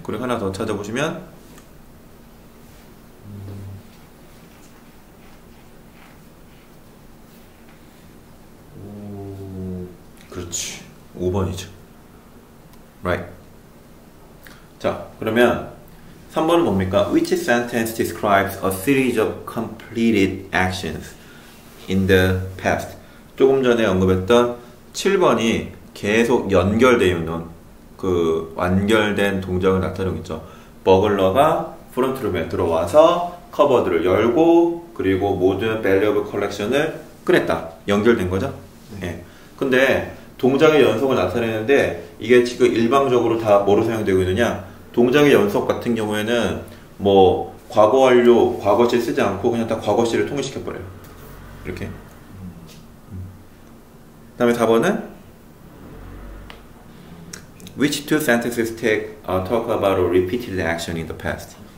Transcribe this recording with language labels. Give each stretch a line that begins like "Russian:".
Korean: 그리고 하나 더 찾아보시면 그렇지 5번이죠 Right 자 그러면 3번은 뭡니까?
English: Which sentence describes a series of completed actions in the past?
Korean: 조금 전에 언급했던 7번이 계속 연결되어 있는 그 완결된 동작을 나타내고 있죠. 버글러가 프론트룸에 들어와서 커버드를 열고 그리고 모든 밸류어블 컬렉션을 꺼냈다. 연결된 거죠? 예. 근데 동작의 연속을 나타내는데 이게 지금 일방적으로 다 뭐로 사용되고 있느냐? 동작의 연속 같은 경우에는 뭐 과거 완료, 과거시 쓰지 않고 그냥 다 과거시를 통일시켜 버려요. 이렇게. 그다음에 4번은
English: Which two sentences talk about a repeated action in the past?